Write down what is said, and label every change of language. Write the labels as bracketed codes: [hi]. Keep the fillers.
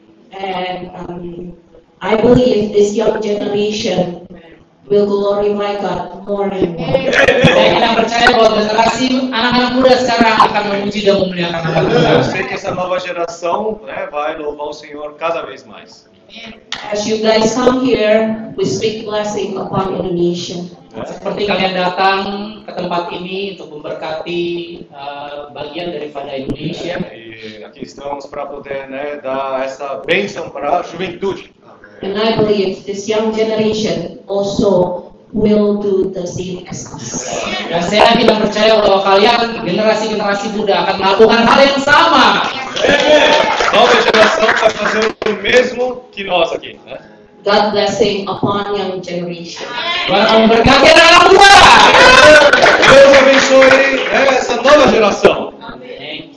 [en] And, um, I believe this young generation will glorify God more and more. [id] Saya kita percaya bahwa generasi anak-anak muda sekarang akan memuji dan memuliakan Allah. [pt] Saya que essa nova geração vai louvar o Senhor cada vez mais. [en] As you guys come here, we speak blessing upon Indonesia. [id] Seperti kalian datang ke tempat ini untuk memberkati uh, bagian daripada Indonesia. [pt] E aqui estamos para poder né, dar essa bênção para a juventude. [en] And I believe this young generation also will do the same as us. [id] Dan saya tidak percaya bahwa kalian generasi generasi muda akan melakukan hal yang sama. [pt] Talvez a geração vai fazer o mesmo que nós aqui, [en] God blessing you upon young generation. [id] Barang berkati anak muda. [pt] Deus abençoe essa nova geração. Thank